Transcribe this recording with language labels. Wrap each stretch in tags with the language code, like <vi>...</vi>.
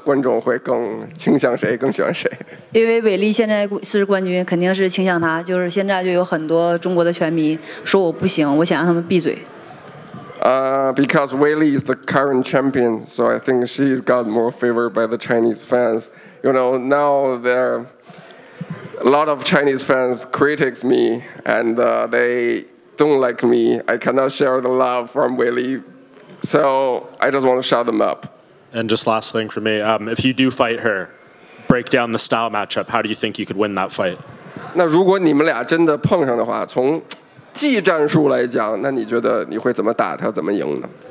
<zh>如果你跟韦利打，你觉得中国的观众会更倾向谁，更喜欢谁？因为韦利现在是冠军，肯定是倾向他。就是现在就有很多中国的拳迷说我不行，我想让他们闭嘴。</zh> <en>Because Weili is the current champion, so I think she's got more favor by the Chinese fans. You know, now there are a lot of Chinese fans critics me, and they don't like me. I cannot share the love from Weili, so I just want to shut them up. And just last thing for me, if you do fight her, break down the style matchup. How do you think you could win that fight?</en> <zh>那如果你们俩真的碰上的话，从 技战术来讲，那你觉得你会怎么打他，怎么赢呢？</zh>